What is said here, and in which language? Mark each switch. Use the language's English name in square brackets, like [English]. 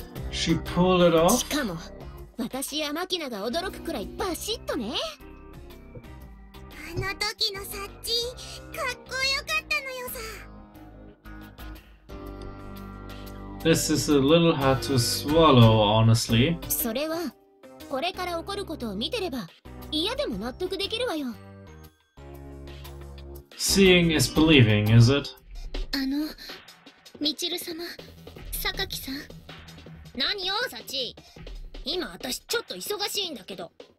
[English] She pulled it off? [Japanese] しかも、私やマキナが驚くくらいバシッとね。あの時のサッチ、かっこよかったのよさ。 [English] This is a little hard to swallow, honestly. [Japanese] それは、これから起こることを見てれば、嫌でも納得できるわよ。 [English] Seeing is believing, is it? [Japanese] あの、ミチル様、サカキさん。何よ、サチ。今、私、ちょっと忙しいんだけど。